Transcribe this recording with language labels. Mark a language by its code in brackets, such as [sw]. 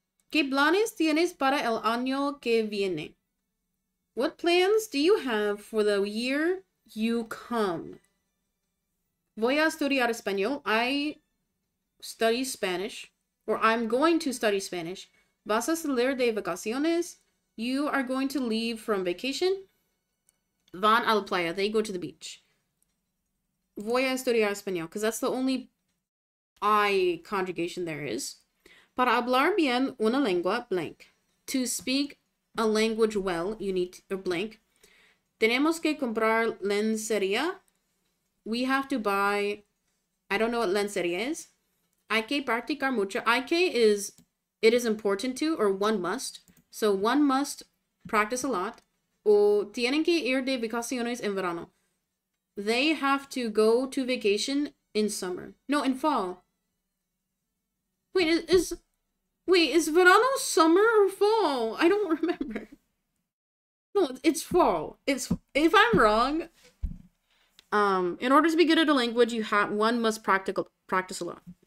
[es] ¿Qué planes tienes para el año que viene? [en] What plans do you have for the year you come? [es] Voy a estudiar español. [en] I study Spanish. Or I'm going to study Spanish. [es] ¿Vas a salir de vacaciones? [en] You are going to leave from vacation. [es] Van a la playa. [en] They go to the beach. [es] Voy a estudiar español. [en] Because that's the only I conjugation there is. [es] Para hablar bien una lengua, [en] blank. To speak a language well, you need to, or blank. [es] Tenemos que comprar lencería. [en] We have to buy, I don't know what lencería is. [es] Hay que practicar mucho. Hay que [en] is, it is important to, or one must. So one must practice a lot. [es] O tienen que ir de vacaciones en verano. [en] They have to go to vacation in summer. No, in fall. Wait, is verano summer or fall? I don't remember. No, it's fall. It's, if I'm wrong, in order to be good at a language, one must practice a lot.